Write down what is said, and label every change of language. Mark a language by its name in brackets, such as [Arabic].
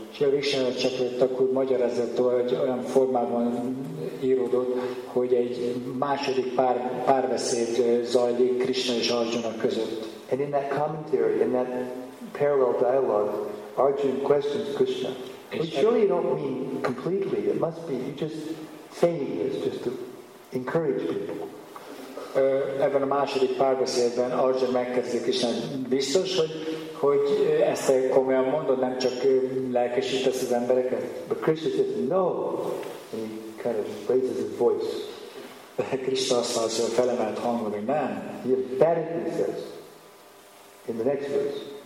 [Hungarian] Srila Vishwanath Chakravarti Thakur magyarázott, hogy olyan formában íródott, hogy egy második párbeszéd zajlik Krishna és Arjuna között. [English] And in that commentary, in that parallel dialogue, Arjuna questions Krishna. But surely you don't mean completely. It must be. You're just saying this just to encourage people. [Hungarian] Ebben a második párbeszédben Arjuna megkezdi Krishna, biztos, hogy ezt komolyan mondod, nem csak lelkesítesz az embereket. [English] But Krishna says no, and he kind of raises his voice. [Hungarian] De Krishna azt mondja, hogy felemelt hangon, hogy nem. [English] He emphatically says in the next verse,